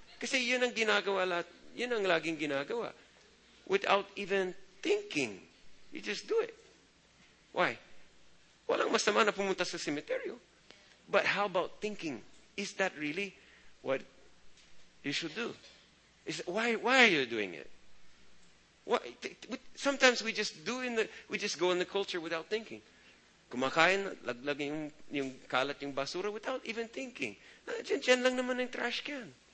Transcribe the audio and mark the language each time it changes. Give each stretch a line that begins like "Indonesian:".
Filipino: Kasi yun ang ginagawa lahat. Yun ang laging ginagawa.
English: Without even thinking, you just do it. Why?
Filipino: Walang masama na pumunta sa cemeteryo.
English: But how about thinking? Is that really what you should do? Why are you doing it? Sometimes we just do in the... We just go in the culture without thinking.
Filipino: Kumakain, laglag yung kalat yung basura
English: without even thinking.
Filipino: Diyan lang naman yung trash can.